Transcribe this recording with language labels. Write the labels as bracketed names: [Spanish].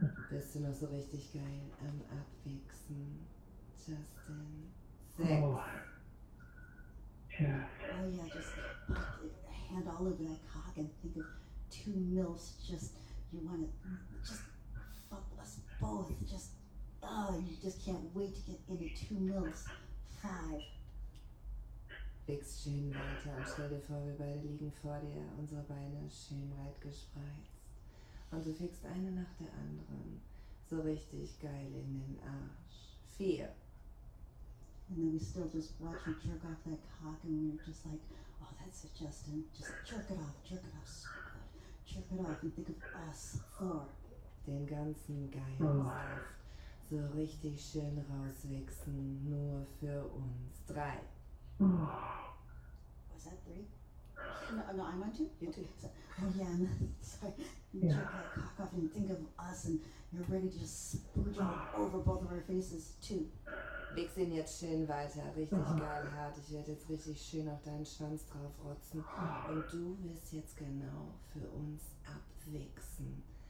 [German] Bist du noch so richtig geil am Abwichsen, Justin? 6. [English] Oh yeah, just put a hand all over that cock and think of 2 mils. Just, you want to just fuck us both. Just, you just can't wait to get into 2 mils. 5. [German] Wichs schön weiter und stell dir vor, wir beide liegen vor dir, unsere Beine schön weit gespreizt. Und du fickst eine nach der anderen, so richtig geil in den Arsch. 4. [English] And then we still just watch him jerk off that cock, and we're just like, oh, that's it, Justin. Just jerk it off so good. Jerk it off and think of us four. [German] Den ganzen geilen Saft so richtig schön rauswichsen, nur für uns drei. [English] Was that, three? No, I'm on two? You two. Oh, yeah, I'm sorry. Jerk that cock off and think of us, and you're ready to just spurge it over both of our faces, too. [German] Wichs ihn jetzt schön weiter, richtig geil hart. Ich werde jetzt richtig schön auf deinen Schwanz draufrotzen. Und du wirst jetzt genau für uns abwichsen.